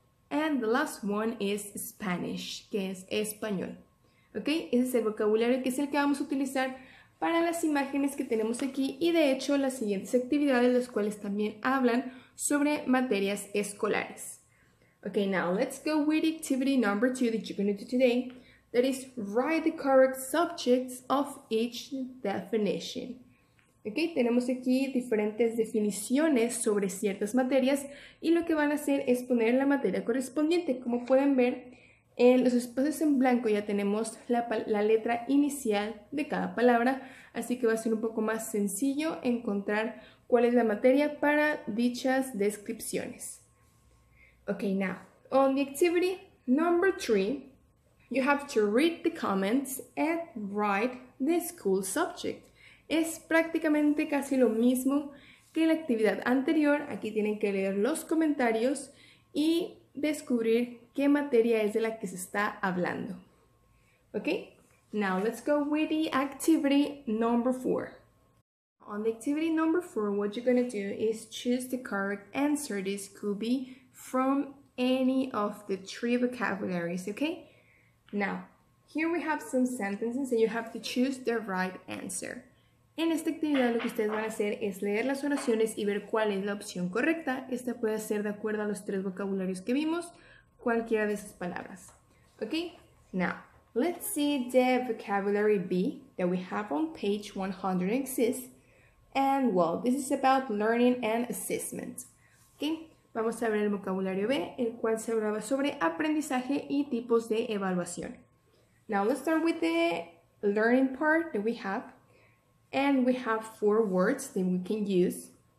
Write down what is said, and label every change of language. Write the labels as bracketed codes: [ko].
[en] And the last one is Spanish, [es] que es español. Ok, ese es el vocabulario que es el que vamos a utilizar para las imágenes que tenemos aquí y de hecho las siguientes actividades, las cuales también hablan sobre materias escolares. [en] Ok, now let's go with activity number two that you're going to do today. That is, write the correct subjects of each definition. [es] Ok, tenemos aquí diferentes definiciones sobre ciertas materias y lo que van a hacer es poner la materia correspondiente. Como pueden ver, en los espacios en blanco ya tenemos la letra inicial de cada palabra, así que va a ser un poco más sencillo encontrar cuál es la materia para dichas descripciones. [en] Ok, now, on the activity number three, you have to read the comments and write the school subject. [es] Es prácticamente casi lo mismo que la actividad anterior. Aquí tienen que leer los comentarios y descubrir qué materia es de la que se está hablando. [en] Ok, now let's go with the activity number four. On the activity number four, what you're going to do is choose the correct answer. This could be from any of the three vocabularies, ok? Now, here we have some sentences and you have to choose the right answer. [es] En esta actividad lo que ustedes van a hacer es leer las oraciones y ver cuál es la opción correcta. Esta puede ser de acuerdo a los tres vocabularios que vimos, cualquiera de esas palabras. [en] Ok, now, let's see the vocabulary B that we have on page 106. And, well, this is about learning and assessment. [es] Ok, vamos a ver el vocabulario B, el cual se hablaba sobre aprendizaje y tipos de evaluación. [en] Now, let's start with the learning part that we have. And we have four words that we can use.